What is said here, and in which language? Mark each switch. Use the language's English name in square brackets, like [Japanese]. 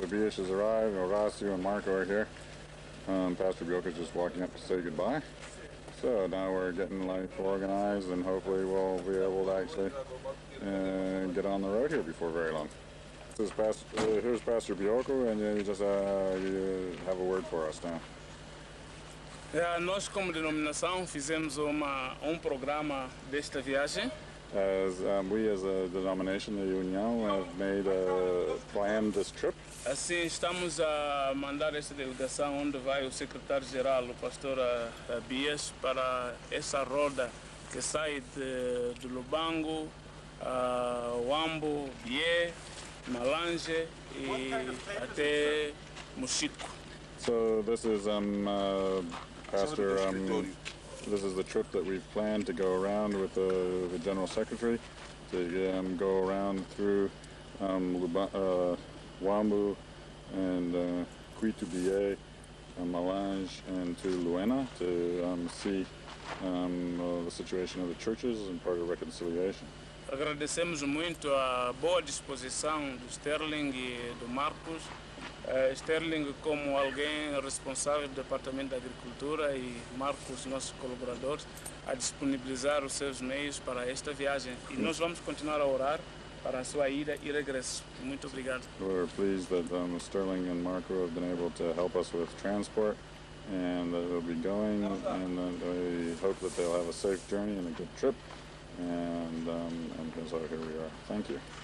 [English] Abish has arrived, Orasio and Marco are here. Pastor Bjork is just walking up to say goodbye. So now we're getting life organized and hopefully we'll be able to actually get on the road here before very long. This is Pastor, here's Pastor Bioko, and you have a word for us now. [Portuguese] Nós como denominação fizemos um programa desta viagem. [English] As we as a denomination, the union, have made a plan this trip. [Portuguese] Assim, estamos a mandar esta delegação onde vai o secretário geral, o pastor Bias, para essa roda que sai de Lubango, Wambu, Bié, Malange e até Mushiku. [English] So this is Pastor. This is the trip that we've planned to go around with the General Secretary to go around through Wambu and Kuitubie, Malange and to Luena to see the situation of the churches and part of reconciliation. [Portuguese] Agradecemos muito a boa disposição do Sterling e do Marcos. Sterling como alguém responsável do Departamento da Agricultura e Marcos, nossos colaboradores, a disponibilizar os seus meios para esta viagem. E nós vamos continuar a orar para a sua ida e regresso. Muito obrigado. [English] We're pleased that Sterling and Marco have been able to help us with transport and that they'll be going and that we hope that they'll have a safe journey and a good trip. And so here we are. Thank you.